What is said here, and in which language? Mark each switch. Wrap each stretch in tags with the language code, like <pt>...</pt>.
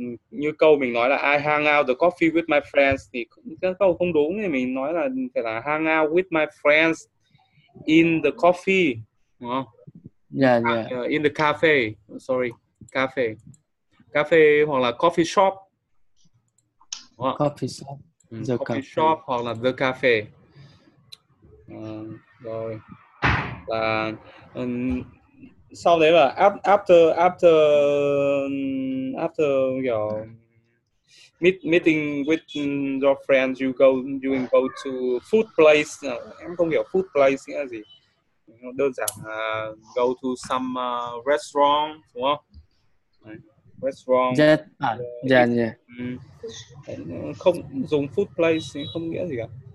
<vi>Như câu mình nói là</vi> <en>I hang out the coffee with my friends</en> <vi>thì cái câu không đúng, thì mình nói là phải là</vi> <en>hang out with my friends in the coffee,</en> <vi>đúng không? Yeah.</vi> <en>In the cafe, sorry, cafe</en> <vi>hoặc là</vi> <en>coffee shop. Coffee shop. Coffee shop</en> <vi>hoặc là</vi> <en>the cafe.</en> <vi>Rồi. Và sau đấy là</vi> <en>after your meeting with your friends, you go to food place.</en> <vi>Em không hiểu food place nghĩa gì. Đơn giản là</vi> <en>go to some restaurant,</en> <vi>đúng không?</vi> <en>Restaurant. Yeah.</en> <vi>Không dùng food place không nghĩa gì cả.</vi>